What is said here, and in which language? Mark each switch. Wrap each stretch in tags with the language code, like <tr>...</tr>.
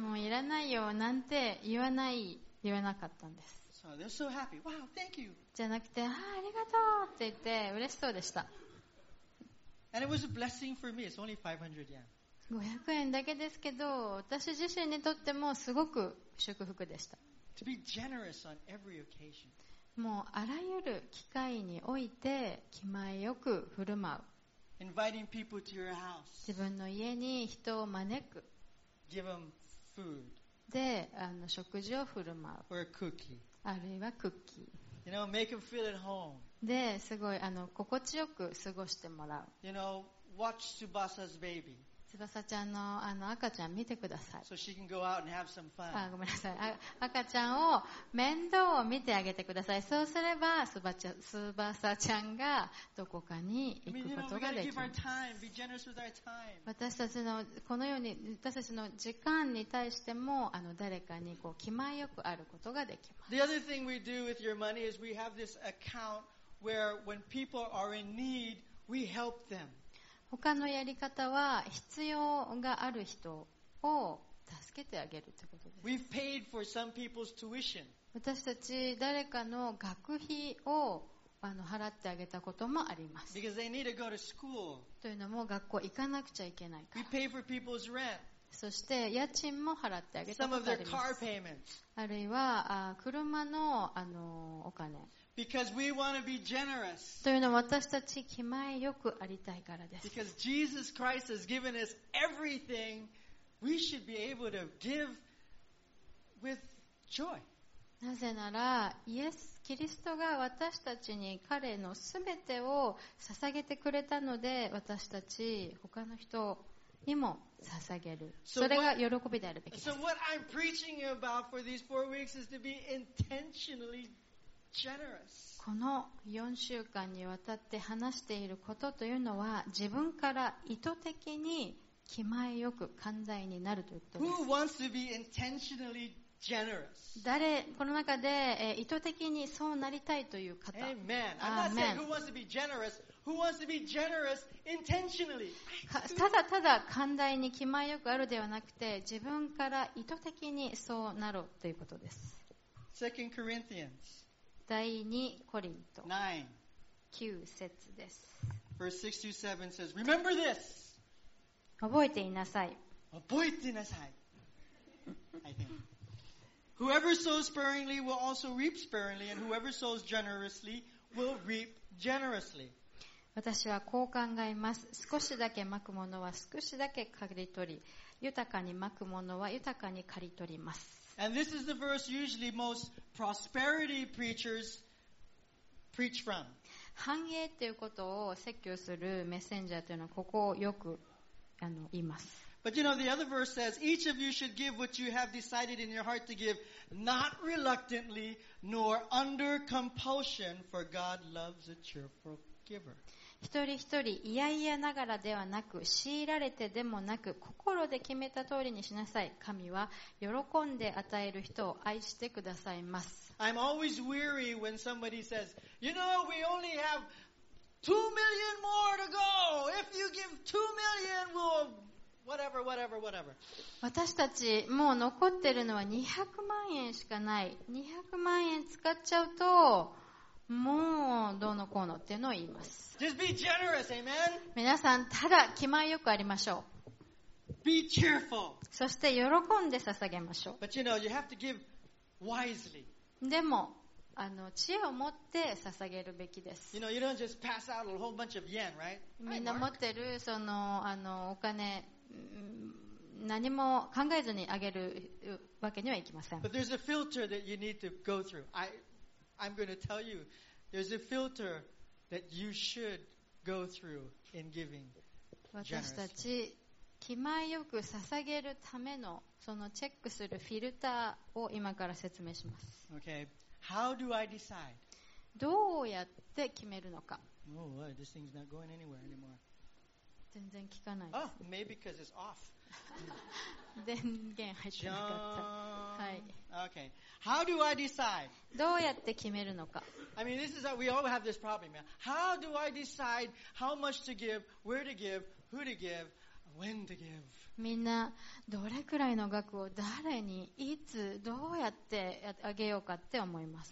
<ja>もういらないよなんて言わない、言わなかったんです。</ja> <en>So they're so happy. Wow, thank you.</en> <ja>じゃなくて、ああ、ありがとうって言って、嬉しそうでした。</ja> <en>And it was a blessing for me. It's only 500 yen.</en> <ja>500円だけですけど、私自身にとってもすごく祝福でした。</ja> <en>To be generous on every occasion.</en> <ja>もうあらゆる機会において、気前よく振る舞う。</ja> <en>Inviting people to your house.</en> <ja>自分の家に人を招く。</ja> <en>Give them food.</en> <ja>で、食事を振る舞う。</ja> <en>Or a cookie.</en> <ja>あるいはクッキー。</ja> <en>You know, make them feel at home.</en> <ja>で、すごい心地よく過ごしてもらう。</ja> <en>You know, watch Tsubasa's baby.</en> <ja>翼ちゃんの赤ちゃん見てください。</ja> <en>So she can go out and have some fun.</en> <ja>あ、ごめんなさい。赤ちゃんを面倒を見てあげてください。そうすれば翼ちゃんがどこかに行くことができます。</ja> <en>I mean, you know, we gotta give our time. Be generous with our time.</en> <ja>私たちのこのように私たちの時間に対しても誰かにこう気前よくあることができます。</ja> <en>The other thing we do with your money is we have this account where when people are in need, we help them.</en> <ja>他のやり方は必要がある人を助けてあげるということです。</ja> <en>We've paid for some people's tuition.</en> <ja>私たち誰かの学費を払ってあげたこともあります。</ja> <en>Because they need to go to school.</en> <ja>というのも学校行かなくちゃいけないから。</ja> <en>We pay for people's rent.</en> <ja>そして家賃も払ってあげたことがあります。あるいは車のお金。</ja> <en>Because we want to be generous.</en> <ja>というのは私たち気前よくありたいからです。</ja> <en>Because Jesus Christ has given us everything, we should be able to give with joy.</en> <ja>なぜなら、イエス・キリストが私たちに彼のすべてを捧げてくれたので、私たち他の人にも捧げる。それが喜びであるべきです。</ja> <en>So what I'm preaching about for these four weeks is to be intentionally generous.</en> <ja>この4週間にわたって話していることというのは自分から意図的に気前よく寛大になるということです。</ja> <en>Who wants to be intentionally generous?</en> <ja>誰この中で意図的にそうなりたいという方。</ja> <en>Amen. I'm not saying who wants to be generous. Who wants to be generous intentionally?</en> <ja>ただただ寛大に気前よくあるではなくて自分から意図的にそうなろうということです。</ja> <en>2 Corinthians.</en> <ja>第2コリント 9 節です。</ja> <en>Verse 6-7 says, Remember this!</en> <ja>覚えていなさい。覚えていなさい。</ja> <en>I think. Whoever sows sparingly will also reap sparingly, and whoever sows generously will reap generously.</en> <ja>私はこう考えます。少しだけ蒔くものは少しだけ刈り取り、豊かに蒔くものは豊かに刈り取ります。</ja> <en>And this is the verse usually most prosperity preachers preach from.</en> <ja>繁栄っていうことを説教するメッセンジャーというのはここをよく言います。</ja> <en>But you know, the other verse says, each of you should give what you have decided in your heart to give, not reluctantly nor under compulsion, for God loves a cheerful giver.</en> <ja>一人一人いやいやながらではなく強いられてでもなく心で決めた通りにしなさい。神は喜んで与える人を愛してくださいます。</ja> <en>I'm always weary when somebody says, You know, we only have 2 million more to go. If you give 2 million, we'll whatever, whatever, whatever.</en> <ja>私たちもう残ってるのは200万円しかない。 200万円使っちゃうともうどうのこうのっていうのを言います。</ja> <en>Just be generous, amen?</en> <ja>皆さんただ気前よくありましょう。</ja> <en>Be cheerful.</en> <ja>そして喜んで捧げましょう。</ja> <en>But you know, you have to give wisely.</en> <ja>でも知恵を持って捧げるべきです。</ja> <en>You know, you don't just pass out a whole bunch of yen, right?</en> <ja>みんな持ってるそのお金何も考えずにあげるわけにはいきません。</ja> <en>But there's a filter that you need to go through. I'm going to tell you, there's a filter that you should go through in giving generously.</en> <ja>私たち気前よく捧げるためのそのチェックするフィルターを今から説明します。</ja> <en>Okay. How do I decide?</en> <ja>どうやって決めるのか。</ja> <en>Oh, wow, this thing's not going anywhere anymore.</en> <ja>全然聞かないです。</ja> <en>Oh, maybe because it's off.</en> <ja>電源入ってなかった。はい。</ja> <en>Okay. How do I decide?</en> <ja>どうやって決めるのか。</ja> <en>I mean, this is how we all have this problem. How do I decide how much to give, where to give, who to give, when to give?</en> <ja>みんなどれくらいの額を誰にいつどうやってあげようかって思います。</ja>